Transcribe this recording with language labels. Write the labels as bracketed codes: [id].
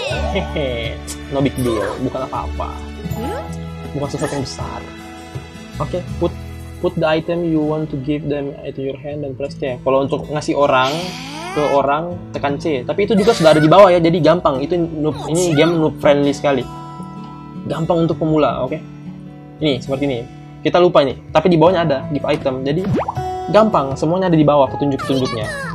[id] Hehehe, [en] no big deal, [id] bukan apa-apa. Bukan sesuatu yang besar. [en] Oke, okay, put the item you want to give them into your hand and press C. [id] Kalau untuk ngasih orang ke orang tekan C. Tapi itu juga sudah ada di bawah ya, jadi gampang. Itu noob, ini game noob friendly sekali. Gampang untuk pemula, oke? Okay? Ini seperti ini. Kita lupa nih, tapi di bawahnya ada give item. Jadi gampang, semuanya ada di bawah petunjuk-petunjuknya.